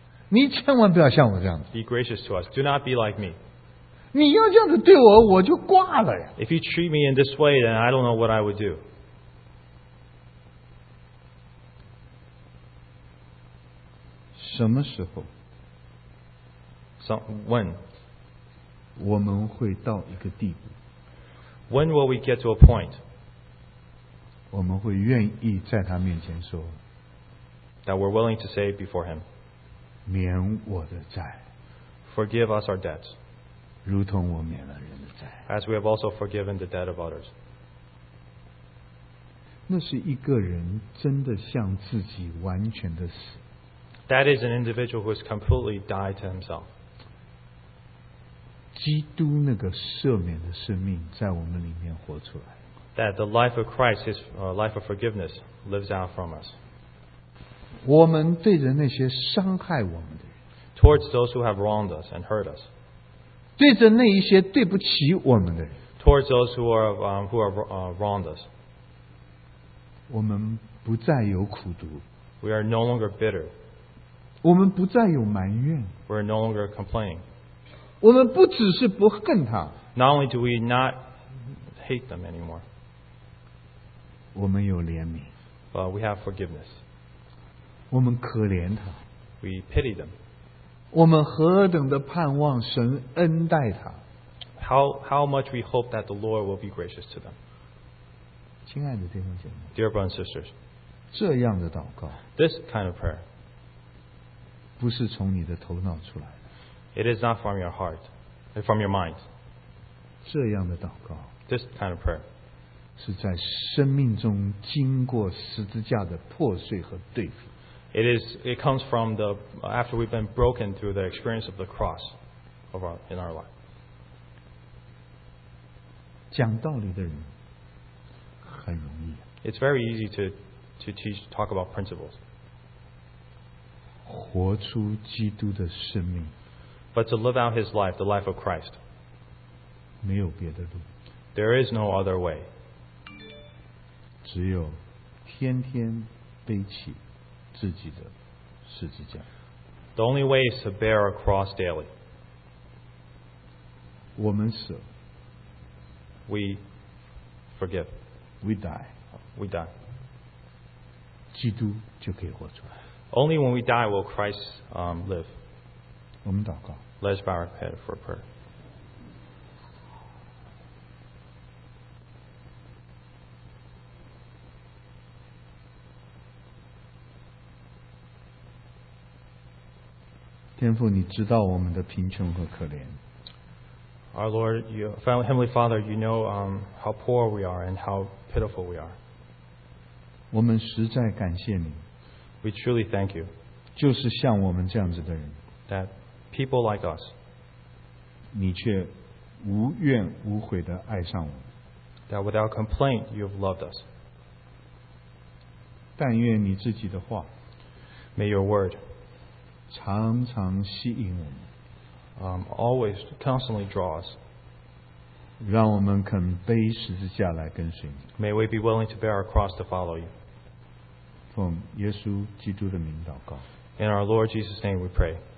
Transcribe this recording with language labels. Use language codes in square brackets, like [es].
[zh] 你千万不要像我这样子。 [en] Be gracious to us. Do not be like me. [zh] 你要这样子对我，我就挂了呀。 [en] If you treat me in this way, then I don't know what I would do. [zh] 什么时候 [en] So, when? [zh] 我们会到一个地步。 [en] When will we get to a point [zh] 我们会愿意在他面前说 [en] that we're willing to say before him, [zh] 免我的债 [en] forgive us our debts, [zh] 如同我免了人的债 [en] as we have also forgiven the debt of others. [zh] 那是一个人真的向自己完全的死 [en] that is an individual who has completely died to himself. [zh] 基督那个赦免的生命在我们里面活出来。 [en] That the life of Christ, his life of forgiveness, lives out from us. [zh] 我们对着那些伤害我们的人。 [en] Towards those who have wronged us and hurt us. [zh] 对着那一些对不起我们的人。 [en] Towards those who have wronged us. [zh] 我们不再有苦毒。 [en] We are no longer bitter. [zh] 我们不再有埋怨。 [en] We are no longer complaining. [zh] 我们不只是不恨他 [en] Not only do we not hate them anymore [zh] 我们有怜悯 [en] But we have forgiveness [zh] 我们可怜他 [en] We pity them [zh] 我们何等的盼望神恩待他 [en] How much we hope that the Lord will be gracious to them [zh] 亲爱的弟兄姐妹 [en] Dear brothers and sisters [zh] 这样的祷告 [en] This kind of prayer [zh] 不是从你的头脑出来 [en] It is not from your heart, from your mind. [zh] 这样的祷告 [en] This kind of prayer [zh] 是在生命中经过十字架的破碎和对付 [en] It comes from after we've been broken through the experience of the cross of our, in our life. [zh] 讲道理的人很容易 [en] It's very easy to teach, talk about principles. [zh] 活出基督的生命 [en] But to live out his life, the life of Christ. [zh] 没有别的路。 [en] There is no other way. [zh] 只有天天背起自己的十字架。 [en] The only way is to bear a cross daily. [zh] 我们死。 [en] We forgive. We die. We die. [zh] 基督就可以活出来。 [en] Only when we die will Christ, live. [zh] 我们祷告。 [en] Let's bow our head for prayer. [zh] 天父，你知道我们的贫穷和可怜。 [en] Our Lord, you, Heavenly Father, you know, how poor we are and how pitiful we are. [zh] 我们实在感谢你。 [en] We truly thank you. [zh] 就是像我们这样子的人。 [en] That people like us. [zh] 你却无怨无悔地爱上我们。 [en] That without complaint, you have loved us. [zh] 但愿你自己的话 [en] May your word [zh] 常常吸引我们。 [en] Always constantly draw us. [zh] 让我们肯背十字架来跟随你。 [en] May we be willing to bear our cross to follow you. [zh] 奉耶稣基督的名祷告。 [en] In our Lord Jesus' name we pray.